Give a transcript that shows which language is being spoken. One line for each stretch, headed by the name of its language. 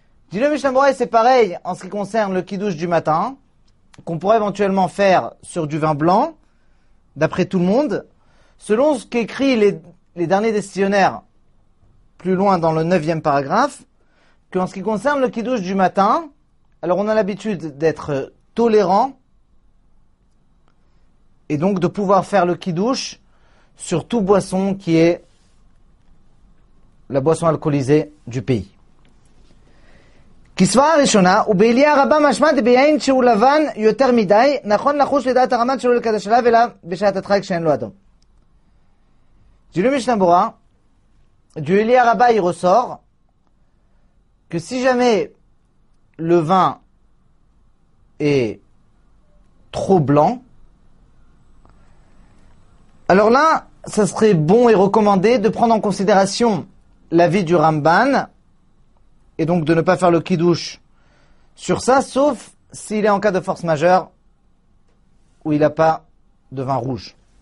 French: Dit le Mishnah Berurah, c'est pareil en ce qui concerne le kiddush du matin, qu'on pourrait éventuellement faire sur du vin blanc, d'après tout le monde, selon ce qu'écrit les derniers décisionnaires, plus loin dans le 9e paragraphe, qu'en ce qui concerne le kiddush du matin, alors on a l'habitude d'être tolérant, et donc de pouvoir faire le kiddush sur tout boisson qui est la boisson alcoolisée du pays.
Hebrew: כסברה הראשונה, ובעלי הרבה משמע דביין שהוא לבן יותר מדי, נכון לחוש לדעת הרמב"ן שלו לקדש עליו אליו בשעת הדחק שאין לו אדום.
French: J'ai lu Mishnah Berurah, du Eli Araba il ressort que si jamais le vin est trop blanc, alors là, ça serait bon et recommandé de prendre en considération l'avis du Ramban, et donc de ne pas faire le kiddush sur ça, sauf s'il est en cas de force majeure où il n'a pas de vin rouge.